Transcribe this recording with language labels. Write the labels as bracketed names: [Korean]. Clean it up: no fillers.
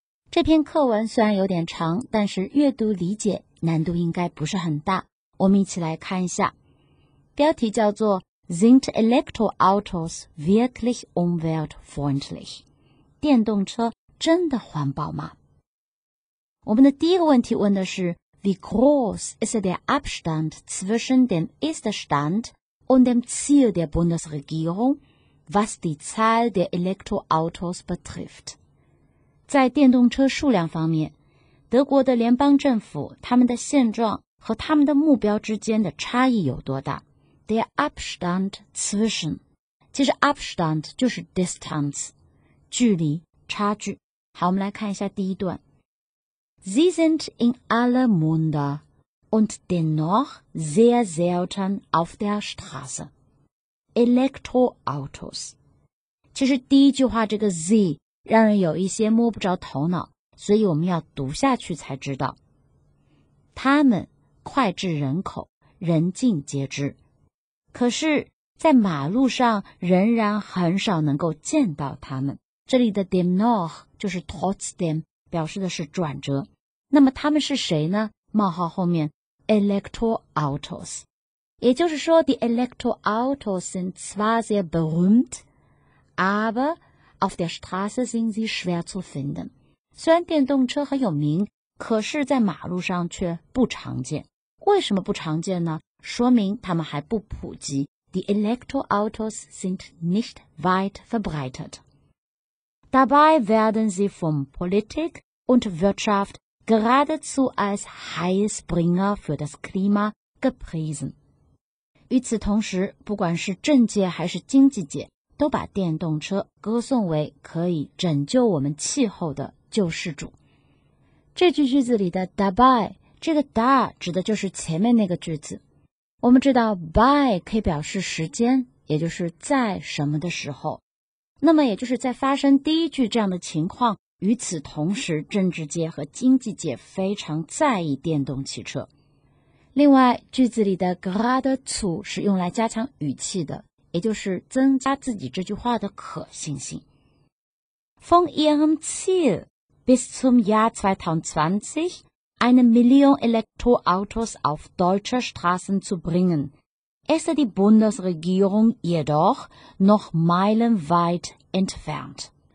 [Chinese] 这篇课文虽然有点长，但是阅读理解难度应该不是很大。我们一起来看一下，标题叫做 Sind Elektroautos wirklich umweltfreundlich? 电动车真的环保吗？ [German] 我们的第一个问题问的是 Wie groß ist der Abstand zwischen dem Ist-Stand und dem Ziel der Bundesregierung, was die Zahl der Elektroautos betrifft? [Chinese] 在电动车数量方面，德国的联邦政府他们的现状和他们的目标之间的差异有多大 [German] ？Der Abstand zwischen， [Chinese] 其实 Abstand 就是 distance， 距离、差距。好，我们来看一下第一段。 [German] Sie sind in aller Munde und dennoch sehr selten auf der Straße. Elektroautos。 [Chinese] 其实第一句话这个 Sie。让人有一些摸不着头脑，所以我们要读下去才知道。他们脍炙人口，人尽皆知，可是在马路上仍然很少能够见到他们。这里的 dem noch 就是 trotzdem， 表示的是转折。那么他们是谁呢？ [German] 冒号后面 Elektroautos，也就是说 die Elektroautos sind zwar sehr berühmt， aberAuf der Straße sind sie schwer zu finden. [Chinese] 虽然电动车很有名，可是在马路上却不常见。为什么不常见呢？说明它们还不普及。 [German] Die Elektroautos sind nicht weit verbreitet. Dabei werden sie von Politik und Wirtschaft geradezu als Heilsbringer für das Klima gepriesen. [Chinese] 与此同时，不管是政界还是经济界，都把电动车歌颂为可以拯救我们气候的救世主。这句句子里的 dabei 这个 da 指的就是前面那个句子。我们知道 by 可以表示时间，也就是在什么的时候。那么也就是在发生第一句这样的情况，与此同时政治界和经济界非常在意电动汽车。另外句子里的 geradezu 是用来加强语气的，也就是增加自己这句话的可信性。 [German] Von ihrem Ziel, bis zum Jahr 2020, eine Million Elektroautos auf deutscher Straßen zu bringen, ist die Bundesregierung jedoch noch meilenweit entfernt.